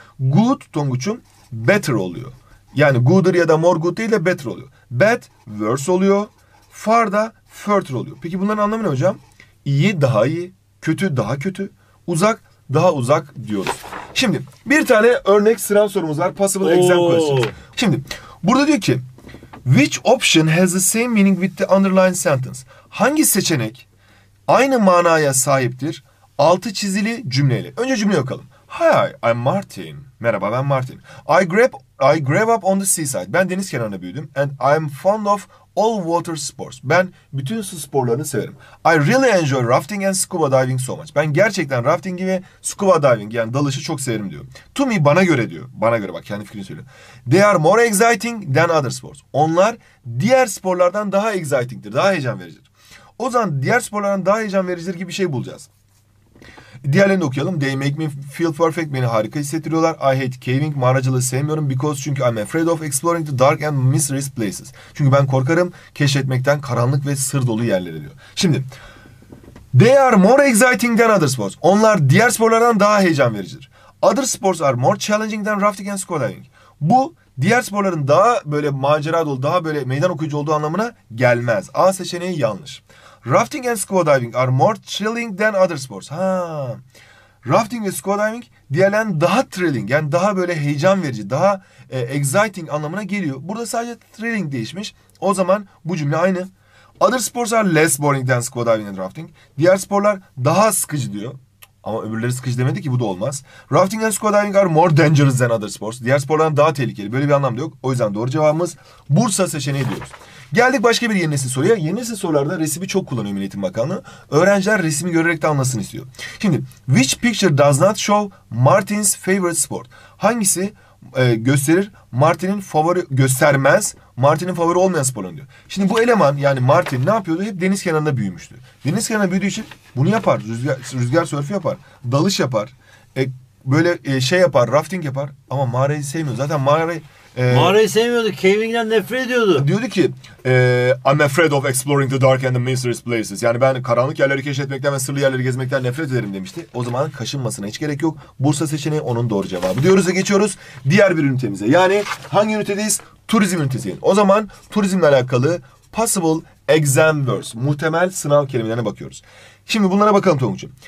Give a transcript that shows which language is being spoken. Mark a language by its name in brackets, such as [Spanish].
[Turkish] Good Tonguç'um better oluyor. Yani gooder ya da more good değil de better oluyor. Bad worse oluyor. Far da further oluyor. Peki bunların anlamı ne hocam? İyi daha iyi, kötü daha kötü, uzak daha uzak diyoruz. Şimdi bir tane örnek sıram sorumuz var. [English] Possible exam question. [Turkish] Şimdi burada diyor ki [English] which option has the same meaning with the underlined sentence? [Turkish] Hangi seçenek aynı manaya sahiptir altı çizili cümleyle? Önce cümleye bakalım. [English] Hi, I'm Martin. [Turkish] Merhaba, ben Martin. [English] I grew up on the seaside. [Turkish] Ben deniz kenarında büyüdüm. [English] And I'm fond of all water sports. [Turkish] Ben bütün su sporlarını severim. [English] I really enjoy rafting and scuba diving so much. [Turkish] Ben gerçekten rafting ve scuba diving yani dalışı çok severim diyor. [English] To me, [Turkish] bana göre diyor. Bana göre bak, kendi fikrini söylüyor. [English] They are more exciting than other sports. [Turkish] Onlar diğer sporlardan daha excitingdir, daha heyecan vericidir. O zaman diğer sporlardan daha heyecan vericidir gibi bir şey bulacağız. Diğerlerini okuyalım. [English] They make me feel perfect. [Turkish] Beni harika hissettiriyorlar. [English] I hate caving. [Turkish] Mağaracılığı sevmiyorum. [English] Because çünkü I'm afraid of exploring the dark and mysterious places. [Turkish] Çünkü ben korkarım keşfetmekten karanlık ve sır dolu yerlere diyor. [English] Şimdi. They are more exciting than other sports. [Turkish] Onlar diğer sporlardan daha heyecan vericidir. [English] Other sports are more challenging than rafting and scuba diving. [Turkish] Bu diğer sporların daha böyle macera dolu, daha böyle meydan okuyucu olduğu anlamına gelmez. A seçeneği yanlış. [English] Rafting and scuba diving are more thrilling than other sports. [Turkish] Ha. Rafting ve scuba diving diğerlerinden daha thrilling. Yani daha böyle heyecan verici, daha exciting anlamına geliyor. Burada sadece thrilling değişmiş. O zaman bu cümle aynı. [English] Other sports are less boring than scuba diving and rafting. [Turkish] Diğer sporlar daha sıkıcı diyor. Ama öbürleri sıkıcı demedi ki, bu da olmaz. [English] Rafting and scuba diving are more dangerous than other sports. [Turkish] Diğer sporlardan daha tehlikeli. Böyle bir anlam da yok. O yüzden doğru cevabımız Bursa seçeneği diyoruz. Geldik başka bir yeni nesil soruya. Yeni nesil sorularda resmi çok kullanıyor Milli Eğitim Bakanlığı. Öğrenciler resmi görerek de anlasın istiyor. [English] Şimdi, which picture does not show Martin's favorite sport? [Turkish] Hangisi gösterir? Martin'in favori göstermez. Martin'in favori olmayan sporunu diyor. Şimdi bu eleman yani Martin ne yapıyordu? Hep deniz kenarında büyümüştü. Deniz kenarında büyüdüğü için bunu yapar. Rüzgar sörfü yapar. Dalış yapar. Rafting yapar. Ama mağarayı sevmiyor. Zaten mağarayı sevmiyordu. Caving'den nefret ediyordu. Diyordu ki [English] I'm afraid of exploring the dark and the mysterious places. [Turkish] Yani ben karanlık yerleri keşfetmekten ve sırlı yerleri gezmekten nefret ederim demişti. O zaman kaşınmasına hiç gerek yok. Bursa seçeneği onun doğru cevabı. Diyoruz ve geçiyoruz diğer bir ünitemize. Yani hangi ünitedeyiz? Turizm ünitesi. O zaman turizmle alakalı possible exam verse, muhtemel sınav kelimelerine bakıyoruz. Şimdi bunlara bakalım Tonguç'um.